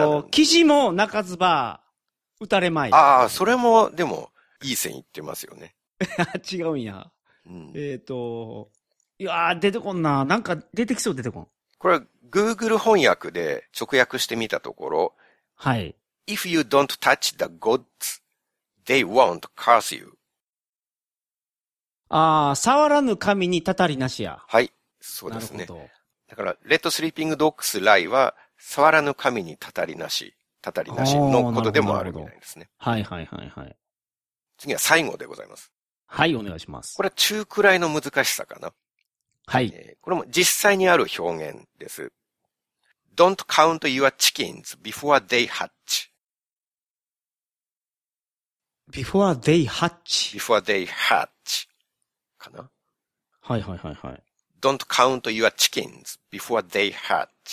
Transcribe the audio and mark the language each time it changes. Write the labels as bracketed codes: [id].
[ja] 記事も鳴かずば、打たれまい。ああ、それも、でも、いい線いってますよね。違うんや。うん、いやー、出てこんな。なんか、出てきそう、出てこん。これ、Google 翻訳で直訳してみたところ。はい。 [en] If you don't touch the gods, they won't curse you. [ja] ああ、触らぬ神にたたりなしや。はい。そうですね。だから、レッドスリーピングドックスライは、触らぬ神にたたりなし、たたりなしのことでもあるみたいですね。はいはいはいはい。次は最後でございます。はい、お願いします。これは中くらいの難しさかな。はい。これも実際にある表現です。 [en] Don't count your chickens before they hatch. Before they hatch. Before they hatch. かな。 [ja] はいはいはいはい。 [en] Don't count your chickens before they hatch.